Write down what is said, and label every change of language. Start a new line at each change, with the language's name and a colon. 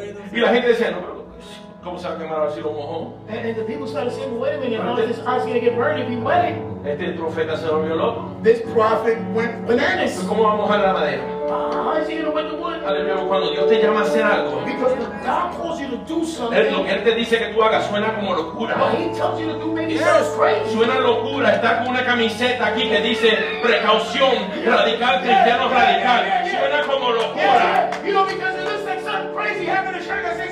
Spanish: Y la gente decía, no, ¿cómo se va a quemar si lo mojó?
English: And the people started saying, wait a minute, how is this ox going to get burned if he wet it?
Spanish: Este profeta se volvió loco.
English: This prophet went bananas.
Spanish: ¿Cómo va a mojar la madera?
English: How is he going to wet the wood?
Spanish: Aleluya, cuando Dios te llama a hacer algo.
English: Because when God calls you to do something.
Spanish: Lo que Él te dice que tú hagas suena como locura.
English: What He tells you to do maybe sounds crazy.
Spanish: Suena locura estar con una camiseta aquí que dice precaución, radical, cristiano radical. Suena como locura.
English: You know, because it looks like something crazy happened to church.